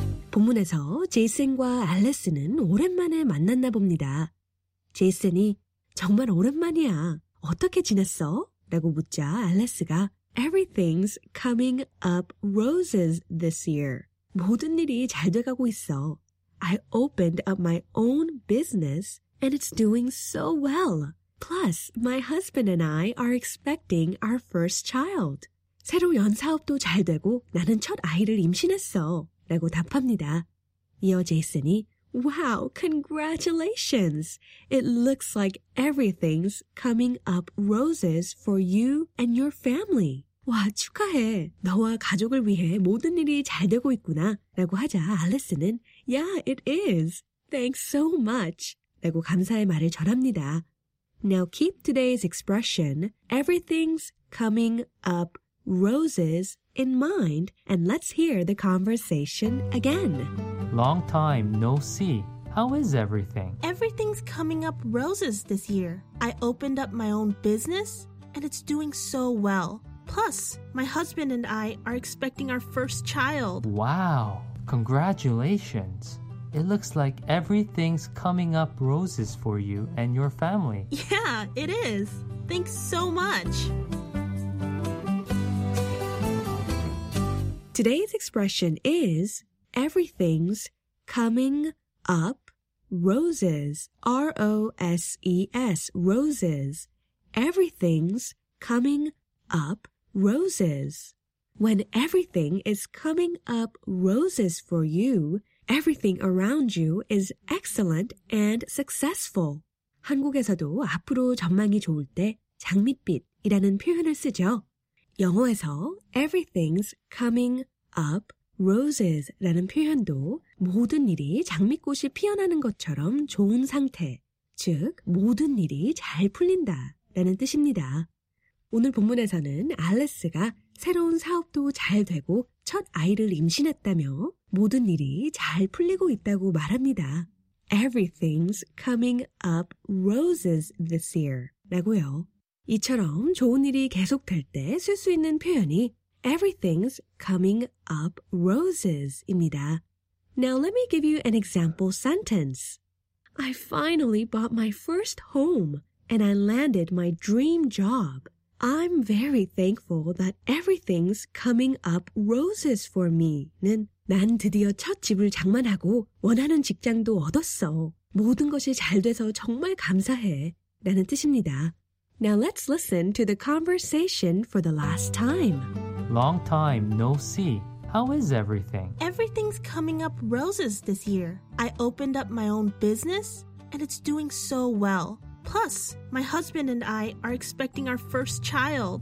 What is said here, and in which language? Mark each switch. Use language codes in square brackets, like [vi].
[ko] 본문에서 제이슨과 알레스는 오랜만에 만났나 봅니다. 제이슨이 정말 오랜만이야. 어떻게 지냈어? 라고 묻자 알레스가 [en] Everything's coming up roses this year. [ko] 모든 일이 잘 돼가고 있어. [en] I opened up my own business and it's doing so well. Plus, my husband and I are expecting our first child. [ko] 새로 연사업도 잘 되고 나는 첫 아이를 임신했어. 라고 답합니다. 이어 제이슨이 [en] Wow, congratulations! It looks like everything's coming up roses for you and your family. [ko] 와, 축하해. 너와 가족을 위해 모든 일이 잘 되고 있구나. 라고 하자 알레스는 [en] Yeah, it is. Thanks so much. [ko] 라고 감사의 말을 전합니다. [en] Now keep today's expression, everything's coming up roses in mind, and let's hear the conversation again. Long time no see. How is everything? Everything's coming up roses this year. I opened up my own business, and it's doing so well. Plus, my husband and I are expecting our first child. Wow, congratulations. It looks like everything's coming up roses for you and your family. Yeah, it is. Thanks so much. Today's expression is everything's coming up roses. R-O-S-E-S, roses. Everything's coming up roses. When everything is coming up roses for you, everything around you is excellent and successful. [ko] 한국에서도 앞으로 전망이 좋을 때 장밋빛이라는 표현을 쓰죠. 영어에서 [en] everything's coming up roses [ko] 라는 표현도 모든 일이 장미꽃이 피어나는 것처럼 좋은 상태, 즉 모든 일이 잘 풀린다 라는 뜻입니다. 오늘 본문에서는 알레스가 새로운 사업도 잘 되고 첫 아이를 임신했다며 모든 일이 잘 풀리고 있다고 말합니다. [en] Everything's coming up roses this year [ko] 라고요. 이처럼 좋은 일이 계속될 때 쓸 수 있는 표현이 [en] Everything's coming up roses [ko] 입니다. [en] Now let me give you an example sentence. I finally bought my first home and I landed my dream job. I'm very thankful that everything's coming up roses for me. [ko] 난 드디어 첫 집을 장만하고 원하는 직장도 얻었어. 모든 것이 잘 돼서 정말 감사해 라는 뜻입니다. [en] Now let's listen to the conversation for the last time. Long time no see. How is everything? Everything's coming up roses this year. I opened up my own business and it's doing so well. Plus, my husband and I are expecting our first child.